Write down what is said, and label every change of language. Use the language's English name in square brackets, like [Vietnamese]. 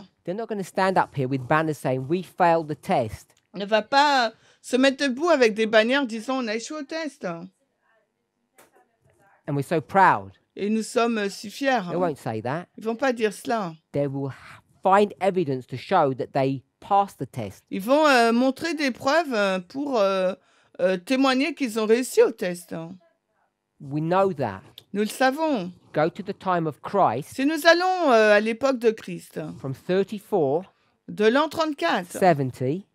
[English] they're not going to stand up here with banners saying we failed the test. [French] Ne va pas se mettre debout avec des bannières disant on a échoué au test. [English] And we're so proud. [French] Et nous sommes si fiers. [English] They won't say that. [French] Ils vont pas dire cela. [English] They will find evidence to show that they passed the test. [French] Ils vont montrer des preuves pour témoigner qu'ils ont réussi au test. [English] We know that. [French] Nous le savons. [English] Go to the time of Christ. [French] Si nous allons à l'époque de Christ. [English] From 34. [French] De l'an 34. 70.